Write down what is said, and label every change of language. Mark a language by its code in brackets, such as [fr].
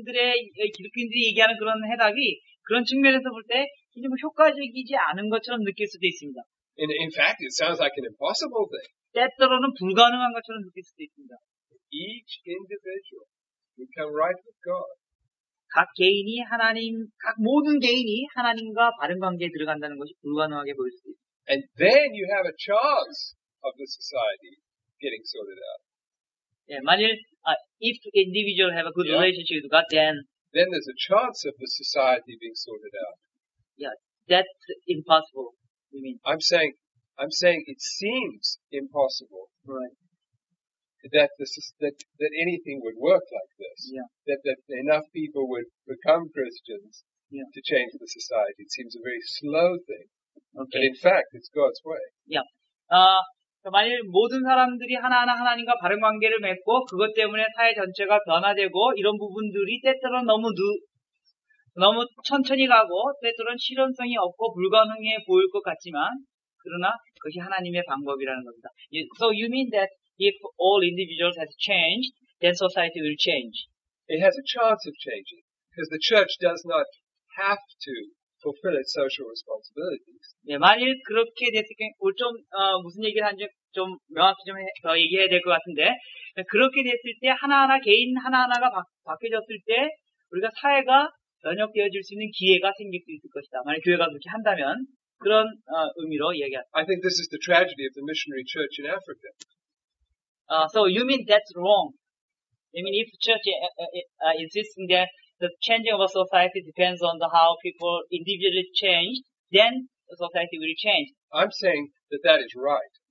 [ko] 기독교인들이 얘기하는 그런 해답이 그런 측면에서 볼 때 좀 효과적이지 않은 것처럼 느낄 수도 있습니다. [en] In fact, it sounds like an impossible thing. [ko] 때때로는 불가능한 것처럼 느낄 수도 있습니다. [en] Each individual can come right with God. [ko] 각 모든 개인이 하나님과 바른 관계에 들어간다는 것이 불가능하게 보일 수도 있습니다. [en] And then you have a chance of the society getting sorted out. [ko] 예, 만일 [en] if individual have a good relationship with God, then there's a chance of the society being sorted out. Yeah, that's impossible. You mean? I'm saying it seems impossible. Right. That anything would work like this. Yeah. That enough people would become Christians to change the society. It seems a very slow thing. Okay. But in fact, it's God's way. Yeah. [ko] 만일 모든 사람들이 하나하나 하나님과 바른 관계를 맺고 그것 때문에 사회 전체가 변화되고 이런 부분들이 때때로는 너무 천천히 가고 때때로는 실현성이 없고 불가능해 보일 것 같지만 그러나 그것이 하나님의 방법이라는 겁니다. [en] So you mean that if all individuals have changed, then society will change? It has a chance of changing because the church does not have to fulfill its social responsibilities. [ko] 네, 만일 그렇게 됐을 경우, 무슨 얘기를 하는지 좀 명확히 더 얘기해야 될 것 같은데, 그렇게 됐을 때 하나하나, 개인 하나하나가 바뀌어졌을 때, 우리가 사회가 변혁되어질 수 있는 기회가 생길 수 있을 것이다. 만일 교회가 그렇게 한다면, 그런 의미로 얘기합니다. [en] I think this is the tragedy of the missionary church in Africa. So you mean that's wrong? I mean if church insists that the changing of a society depends on the how people individually change, then the society will change. I'm saying that is right.